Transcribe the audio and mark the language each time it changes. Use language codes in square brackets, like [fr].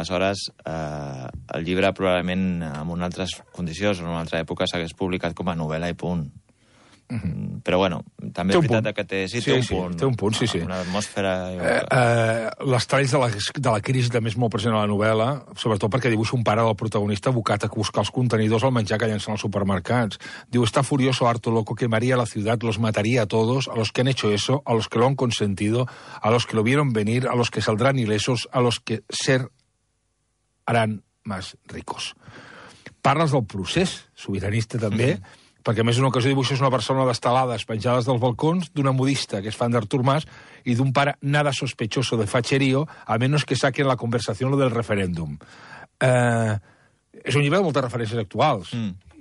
[ca] Aleshores, el llibre probablement en unes altres condicions, en una altra època, s'hagués publicat com a novel·la i punt. Mm-hmm. Però bueno, també és veritat que té un punt. Sí, sí. Una atmosfera... Les talls de la crisi també és molt present a la novel·la, sobretot perquè dibuixa un pare del protagonista abocat a buscar els contenidors al menjar que llencen als supermercats. [es] Diu, está furioso, harto, loco, quemaría la ciudad, los mataría a todos, a los que han hecho eso, a los que lo han consentido, a los que lo vieron venir, a los que saldrán ilesos, a los que ser harán más ricos. [ca] Parles del procés sobiranista també, mm-hmm. Perquè a més una ocasió dibuixes una persona destalades, penjades dels balcons, d'una modista, que és fan d'Artur Mas, i d'un pare [es] nada sospechoso de facherío, a menos que saquen la conversación lo del referéndum. [ca] És un llibre de moltes referències actuals. Mm.